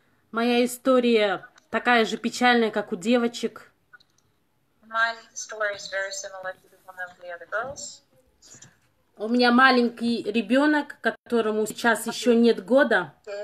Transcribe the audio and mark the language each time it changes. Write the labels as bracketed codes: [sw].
[ru] Моя история такая же печальная, как у девочек. [en] My story is very similar to the one of the other girls. [ru] У меня маленький ребенок, которому сейчас еще нет года.